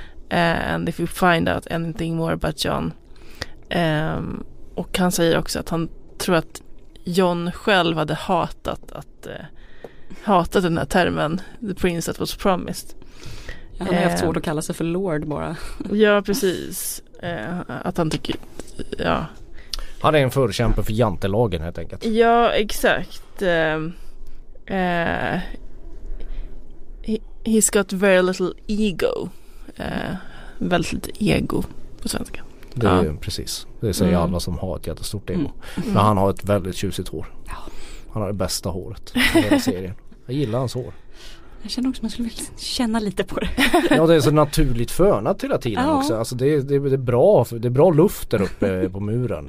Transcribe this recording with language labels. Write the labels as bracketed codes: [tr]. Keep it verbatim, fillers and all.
[en] Eh, and if you find out anything more about John. [sv] Eh, och han säger också att han tror att John själv hade hatat att eh, hatat den här termen The Prince That Was Promised. Ja, han har eh, haft svårt att kalla sig för Lord bara. Ja, precis. Eh, att han tycker... Ja. Han är en förkämpe för jantelagen helt enkelt. Ja, exakt. [en] Eh, eh, he's got very little ego. [sv] Eh, väldigt lite ego på svenska. Det är ja. Precis. Det säger mm. alla som har ett jättestort ego. Mm. Mm. Men han har ett väldigt tjusigt hår. Ja. Han har det bästa håret i hela serien. Jag gillar hans hår. Jag känner också att man skulle vilja känna lite på det. Ja, det är så naturligt fönat hela tiden ja. Också. Alltså det, det, det, är bra, det är bra luft där uppe på muren.